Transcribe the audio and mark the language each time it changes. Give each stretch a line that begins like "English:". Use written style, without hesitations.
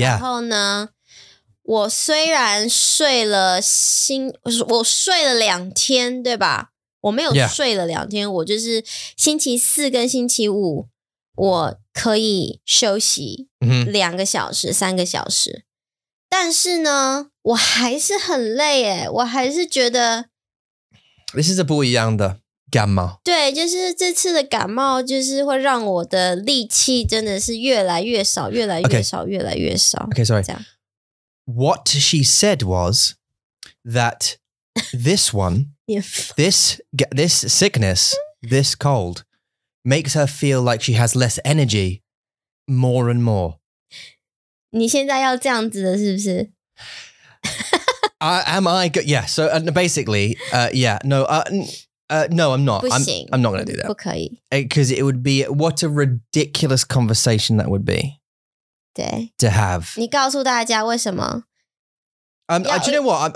Chinese: 然后呢我虽然睡了我睡了两天对吧我没有睡了两天、yeah. 我就是星期四跟星期五我可以休息两个小时、三个小时。但是呢我还是很累耶我还是觉得。
English: This is a
Chinese: 不一样的感冒。对就是这次的感冒就是会让我的力气真的是越来越少越来越少、
English: okay.
Chinese: 越来越少。
English: Okay, sorry. 这样。 What she said was that this one, this sickness, this cold, makes her feel like she has less energy more and more.
Chinese: 你现在要这样子的是不是?
English: am I? Good? Yeah, so basically, yeah, no, no, I'm not.
Chinese: 不行,
English: I'm not going to do that.
Chinese: 不可以。
English: Because it would be, what a ridiculous conversation that would be.
Chinese: 对
English: to have.
Chinese: 你告诉大家为什么
English: do you know what?